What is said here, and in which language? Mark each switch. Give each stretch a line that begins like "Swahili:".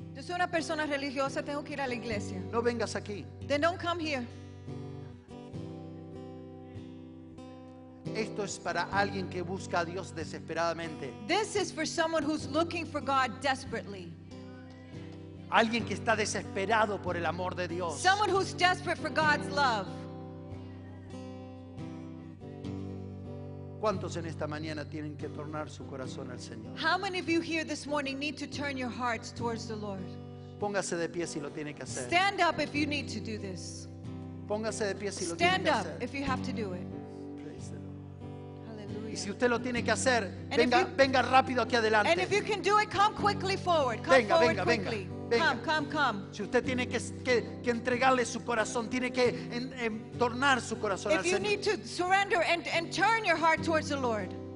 Spanish: Yo soy una persona religiosa, tengo que ir a la iglesia. No vengas aquí.
English: Then don't come here.
Spanish: Esto es para alguien que busca a Dios desesperadamente.
English: This is for someone who's looking for God desperately.
Spanish: Alguien que está desesperado por el amor de Dios.
English: Someone who's desperate for God's love.
Spanish: ¿Cuántos en esta mañana tienen que tornar su corazón al Señor?
English: How many of you here this morning need to turn your hearts towards the Lord?
Spanish: Póngase de pie si lo tiene que hacer.
English: Stand up if you need to do this.
Spanish: Póngase de pie si lo tiene que hacer.
English: Stand up if you have to do it. Praise the Lord. Hallelujah.
Spanish: Y si usted lo tiene que hacer, venga rápido aquí adelante.
English: And if you can do it, come quickly forward. Come
Spanish: venga,
English: forward
Spanish: venga,
English: quickly.
Spanish: Venga.
English: Come.
Spanish: Si usted tiene que entregarle su corazón, tiene que tornar su corazón al Señor.
English: If you need to surrender and turn your heart towards the Lord.